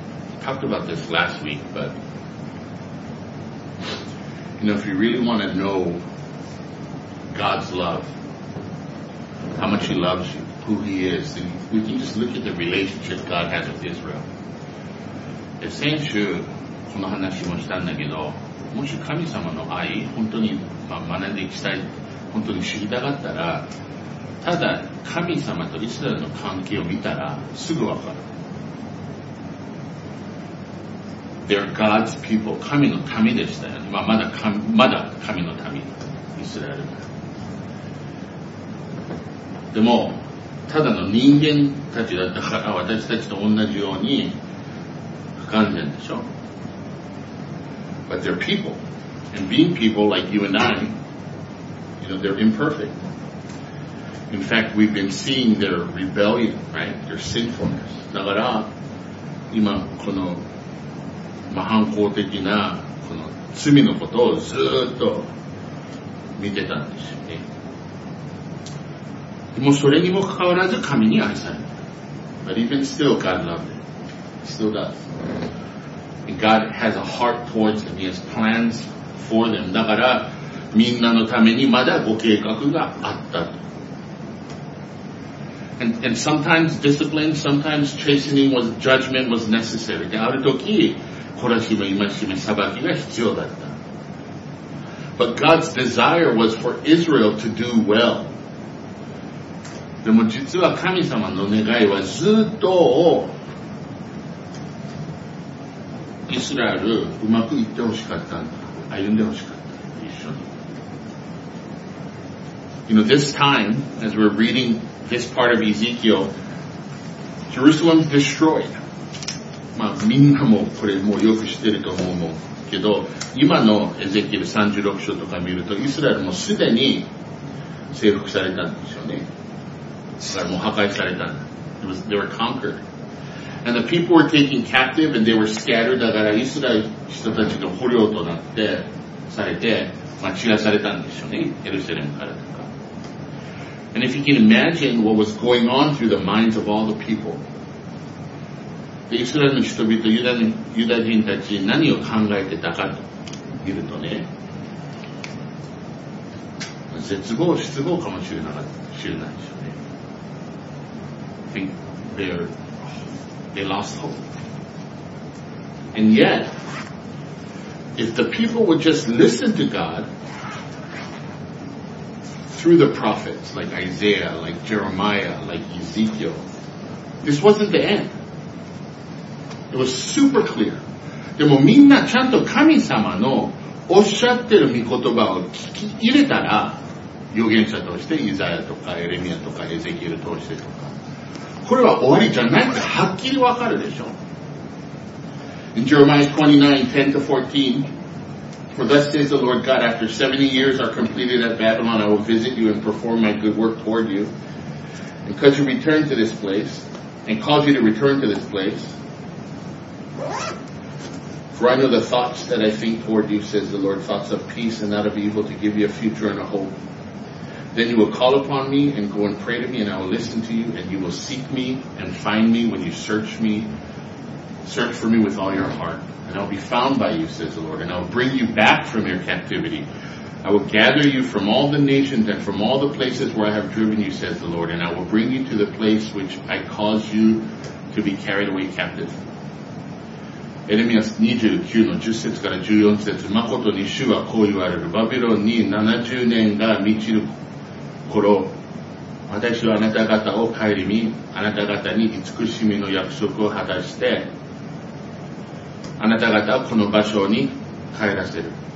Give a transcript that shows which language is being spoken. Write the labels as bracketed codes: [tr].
[en] We talked about this last week, but you know, if you really want to know God's love, how much He loves you, who He is, then we can just look at the relationship God has with Israel. The same thing, [ja] この話もしたんだけど、もし神様の愛、本当に学んでいきたい、本当に知りたかったら、ただ神様とイスラエルの関係を見たらすぐわかる。 [en] They're God's people. [ja] 神の民でしたよね。まあ、まだ神の民、イスラエル。でも、ただの人間たちだったから、私たちと同じように不完全でしょ。 [en] But they're people. And being people like you and I, you know, they're imperfect. In fact, we've been seeing their rebellion, right? Their sinfulness. [ja] だから、今この反抗的なこの罪のことをずっと見てたんですよね。でもそれにもかかわらず神に愛された。 [en] But even still, God loved it. He still does. God has a heart towards them. He has plans for them. [ja] だから、みんなのためにまだご計画があったと。 [en] And sometimes discipline, sometimes chastening was, judgment was necessary. [ja] で、ある時、懲らしめ、戒め、裁きが必要だった。 [en] But God's desire was for Israel to do well. [ja] でも実は神様の願いはずっと、イスラエル、うまくいってほしかったんだ。歩んでほしかった。一緒に。 [en] You know, this time, as we're reading this part of Ezekiel, Jerusalem's destroyed. [ja] まあ、みんなもこれもうよく知ってると思うけど、今のエゼキエル36章とか見ると、イスラエルもすでに征服されたんですよね。だからもう破壊されたんだ。 [en] They were conquered. And the people were taken captive and they were scattered. [ja] だからイスラエル人たちの捕虜となってされて、まあ、散らされたんでしょうね。エルサレムからとか。 [en] And if you can imagine what was going on through the minds of all the people. [ja] で、イスラエルの人々、ユダ人たち何を考えてたかと見るとね、絶望、失望かもしれなかった、知れないでしょうね。 [en] Think they're... They lost hope. And yet, if the people would just listen to God through the prophets like Isaiah, like Jeremiah, like Ezekiel, this wasn't the end. It was super clear. [ja] でもみんなちゃんと神様のおっしゃってる御言葉を聞き入れたら、預言者としてイザヤとかエレミアとかエゼキエル通してとか。これは終わりじゃないってはっきりわかるでしょ。 [en] In Jeremiah 29:10-14, For thus says the Lord God, after 70 years are completed at Babylon, I will visit you and perform my good work toward you, and cause you to return to this place, and cause you to return to this place. For I know the thoughts that I think toward you, says the Lord, thoughts of peace and not of evil, to give you a future and a hope. Then you will call upon me and go and pray to me and I will listen to you and you will seek me and find me when you search for me with all your heart. And I will be found by you, says the Lord, and I will bring you back from your captivity. I will gather you from all the nations and from all the places where I have driven you, says the Lord, and I will bring you to the place which I caused you to be carried away captive. [ja] エレミア29の10節から14節、誠に主はこう言われる。バビロンに70年が満ちる頃、私はあなた方を顧み、あなた方に慈しみの約束を果たして、あなた方をこの場所に帰らせる。